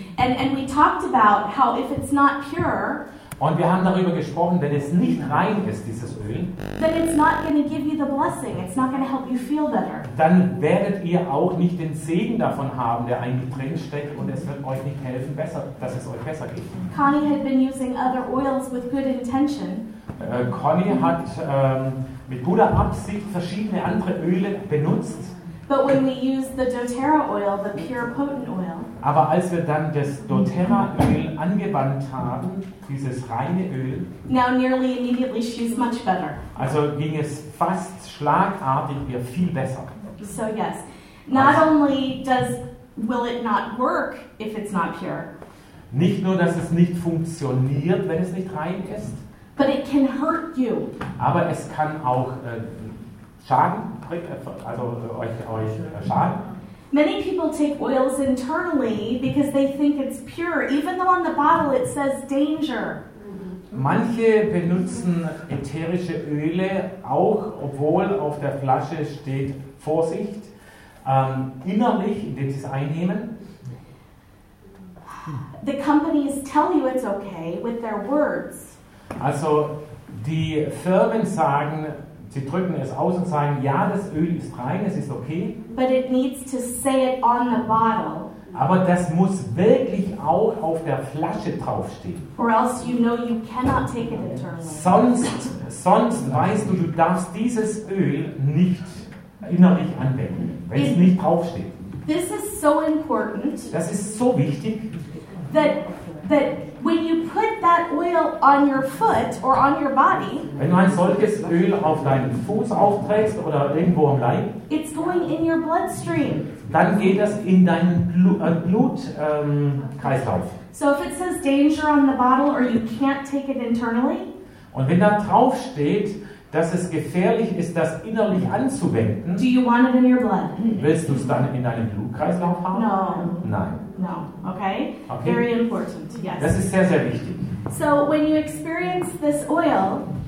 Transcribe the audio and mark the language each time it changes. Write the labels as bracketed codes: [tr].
[en] And we talked about how if it's not pure. [de] Und wir haben darüber gesprochen, wenn es nicht rein ist, dieses Öl. [en] Then it's not going to give you the blessing. It's not going to help you feel better. [de] Dann werdet ihr auch nicht den Segen davon haben, der eigentlich drin steckt, und es wird euch nicht helfen, besser, dass es euch besser geht. [en] Connie had been using other oils with good intention. [de] Connie hat mit guter Absicht verschiedene andere Öle benutzt. [en] But when we use the doTERRA oil, the pure potent oil. [de] Aber als wir dann das doTERRA Öl angewandt haben, dieses reine Öl. [en] Now nearly immediately she's much better. [de] Also ging es fast schlagartig ihr viel besser. [en] So yes. Not also, only does will it not work if it's not pure. [de] Nicht nur dass es nicht funktioniert, wenn es nicht rein ist. [en] But it can hurt you. [de] Aber es kann auch Schaden bringt, also euch Schaden. [en] Many people take oils internally because they think it's pure, even though on the bottle it says danger. [de] Manche benutzen ätherische Öle auch, obwohl auf der Flasche steht Vorsicht, innerlich, indem sie es einnehmen. [en] The companies tell you it's okay with their words. [de] Also die Firmen sagen, sie drücken es aus und sagen, ja, das Öl ist rein, es ist okay. [en] But it needs to say it on the bottle. [de] Aber das muss wirklich auch auf der Flasche draufstehen. [en] Or else you know you cannot take it internally. [de] Sonst weißt du, du darfst dieses Öl nicht innerlich anwenden, wenn es nicht draufsteht. [en] This is so important. [de] Das ist so wichtig. [en] That when you put that oil on your foot or on your body, [de] wenn du ein solches Öl auf deinen Fuß aufträgst oder irgendwo am Leib, [en] it's going in your bloodstream. [de] Dann geht das in deinen Blutkreislauf. [en] So if it says danger on the bottle or you can't take it internally, [de] und wenn da drauf steht, dass es gefährlich ist, das innerlich anzuwenden, [en] do you want it in your blood? [de] Willst du es dann in deinem Blutkreislauf haben? [en] No. [de] Nein. [en] No, okay. Very important. Yes. [de] Das ist sehr, sehr wichtig. [en] So when you experience this oil,